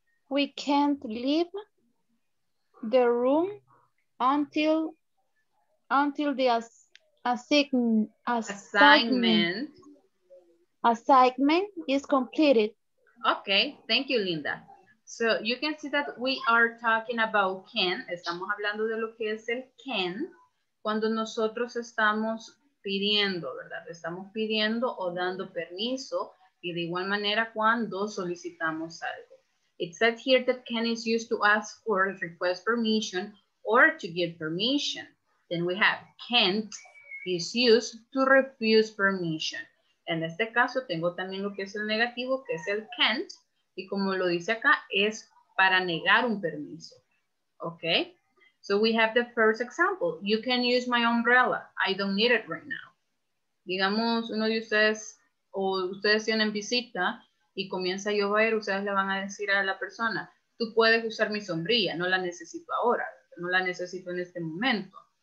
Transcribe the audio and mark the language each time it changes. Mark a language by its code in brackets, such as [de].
[en] We can't leave the room until the assignment is completed. Okay, thank you, Linda. So you can see that we are talking about can. [es] Estamos hablando de lo que es el can cuando nosotros estamos pidiendo, ¿verdad? Estamos pidiendo o dando permiso y de igual manera cuando solicitamos algo. [en] It says here that can is used to ask for, request permission or to give permission. Then we have can't is used to refuse permission. [es] En este caso tengo también lo que es el negativo que es el can't. Y como lo dice acá, es para negar un permiso. [en] Okay? So we have the first example. You can use my umbrella. I don't need it right now. [es] Digamos, uno de ustedes, o ustedes tienen visita, y comienza a llover, ustedes le van a decir a la persona, tú puedes usar mi sombrilla, no la necesito ahora, no la necesito en este momento.